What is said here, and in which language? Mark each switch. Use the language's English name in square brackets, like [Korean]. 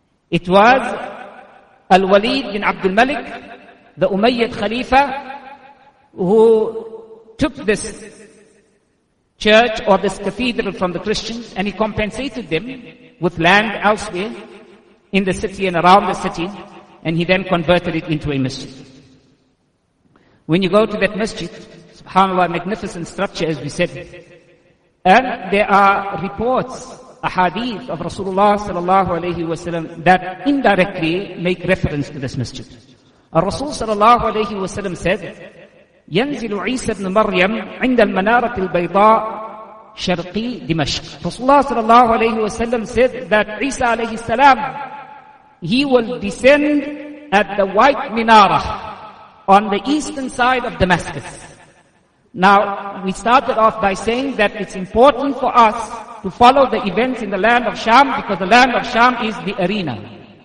[English] It was Al-Walid bin Abdul Malik, the Umayyad Khalifa, who took this church or this cathedral from the Christians, and he compensated them with land elsewhere in the city and around the city, and he then converted it into a masjid. When you go to that masjid, subhanAllah, magnificent structure, as we said, and there are reports, ahadith of Rasulullah sallallahu alayhi wa sallam that indirectly make reference to this masjid. [Arabic] الرسول صلى الله عليه وسلم [English] said, [Arabic] ينزل عيسى بن مريم عند المنارة البيضاء Sharqi Dimashq. [English] Rasulullah sallallahu alayhi wa sallam said that Isa alayhi salam, he will descend at the white minarah on the eastern side of Damascus. Now, we started off by saying that it's important for us to follow the events in the land of Sham, because the land of Sham is the arena.